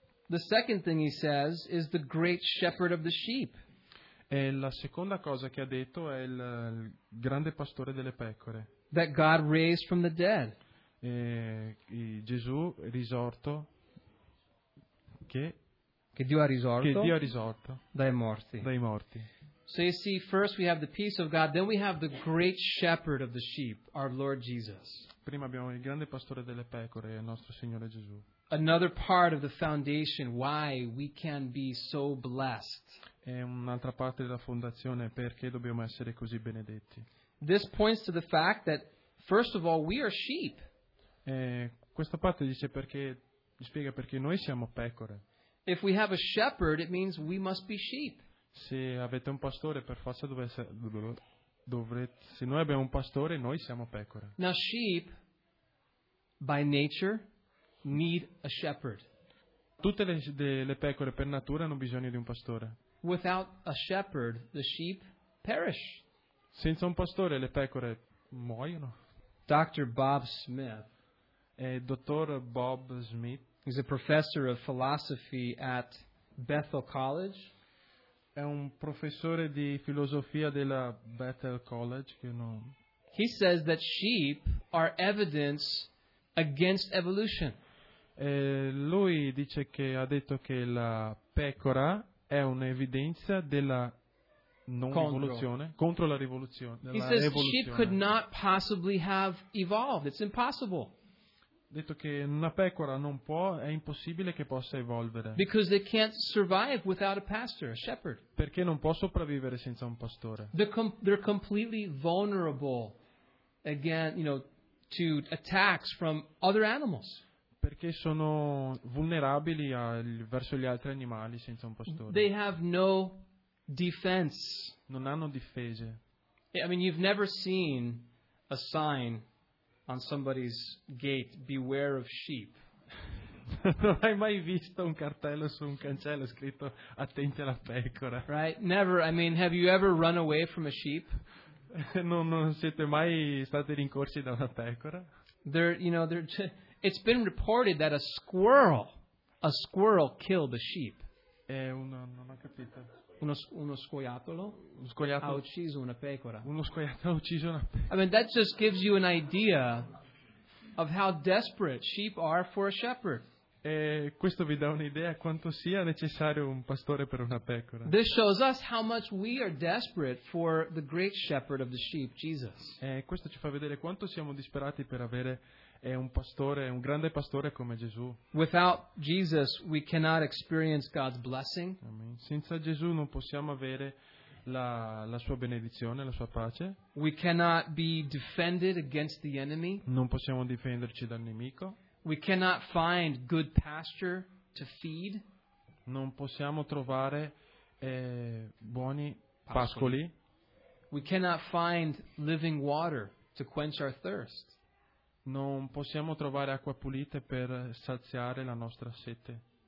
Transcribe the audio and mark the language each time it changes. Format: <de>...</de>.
<en>The second thing he says is the great shepherd of the sheep.</en> <it>La seconda cosa che ha detto è il grande pastore delle pecore.</it> <en>That God raised from the dead.</en> <it>Gesù risorto. Che Dio ha risorto, che Dio ha risorto dai morti.</it> <en>So you see, first we have the peace of God, then we have the great shepherd of the sheep, our Lord Jesus.</en> <it>Prima abbiamo il grande pastore delle pecore, il nostro Signore Gesù.</it> <en>Another part of the foundation why we can be so blessed.</en> <it>È un'altra parte della fondazione perché dobbiamo essere così benedetti.</it> <en>This points to the fact that first of all we are sheep.</en> <it>Questa parte dice perché. Mi spiega perché noi siamo pecore.</it> <en>If we have a shepherd, it means we must be sheep.</en> <it>Se avete un pastore, per forza se noi abbiamo un pastore, noi siamo pecore.</it> <en>Now sheep, by nature, need a shepherd.</en> <it>Tutte le pecore per natura hanno bisogno di un pastore.</it> <en>Without a shepherd, the sheep perish.</en> <it>Senza un pastore, le pecore muoiono.</it> <en>Dr. Bob Smith.</en> <it>Dottor Bob Smith.</it> <en>He's a professor of philosophy at Bethel College.</en> <it>È un professore di filosofia della Bethel College che non.</it> <en>He says that sheep are evidence against evolution.</en> <it>Lui dice che ha detto che la pecora è un'evidenza della non evoluzione contro la rivoluzione.</it> <en>He says sheep could not possibly have evolved. It's impossible.</en> <it>detto che una pecora non può, è impossibile che possa evolvere.</it> <en>Because they can't survive without a pastor, a shepherd.</en> <it>Perché non può sopravvivere senza un pastore.</it> <en>They're completely vulnerable again, you know, to attacks from other animals.</en> <it>Perché sono vulnerabili verso gli altri animali senza un pastore.</it> <en>They have no defense.</en> <it>Non hanno difese.</it> <en>I mean, you've never seen a sign on somebody's gate, beware of sheep.</en> <it>Non hai mai visto un cartello su un cancello scritto attenti alla pecora?</it> <en>Right, never. I mean, have you ever run away from a sheep?</en> <it>Non siete mai stati rincorsi da una pecora?</it> <en>There, you know, there. It's been reported that a squirrel killed a sheep.</en> <it>Non ho capito. Uno scoiattolo ha ucciso una pecora. Uno scoiattolo ha ucciso una pecora.</it> <en>I mean, that just gives you an idea of how desperate sheep are for a shepherd.</en> <it>E questo vi dà un'idea quanto sia necessario un pastore per una pecora.</it> <en>This shows us how much we are desperate for the great shepherd of the sheep, Jesus.</en> <it>E questo ci fa vedere quanto siamo disperati per avere un pastore, un grande pastore come Gesù.</it> <en>Without Jesus, we cannot experience God's blessing.</en> <it>Amen. Senza Gesù non possiamo avere la sua benedizione, la sua pace.</it> <en>We cannot be defended against the enemy.</en> <it>Non possiamo difenderci dal nemico.</it> <en>We cannot find good pasture to feed.</en> <it>Non possiamo trovare buoni pascoli.</it> <en>We cannot find living water to quench our thirst.</en> <it>Non possiamo trovare acqua pulita per saziare la nostra sete.</it>